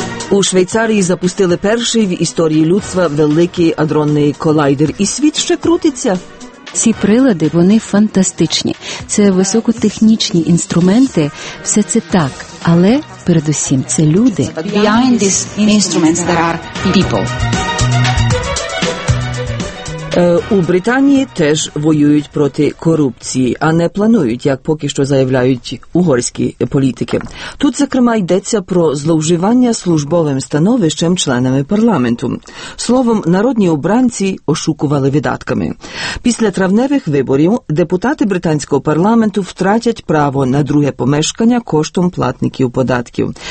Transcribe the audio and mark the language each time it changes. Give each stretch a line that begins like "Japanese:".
Ukrainian: У Швейцарії запустили перший в історії людства великий адронний колайдер. І світ ще крутиться. Ці прилади, вони фантастичні. Це високотехнічні інструменти. Все це так. Але, передусім, це люди.
English: Behind these instruments there are people.
Ukrainian: У Британії теж воюють проти корупції, а не планують, як поки що заявляють угорські політики. Тут, зокрема, йдеться про зловживання службовим становищем членами парламенту. Словом, народні обранці ошукували видатками. Після травневих виборів депутати британського парламенту втратять право на друге помешкання коштом платників податків.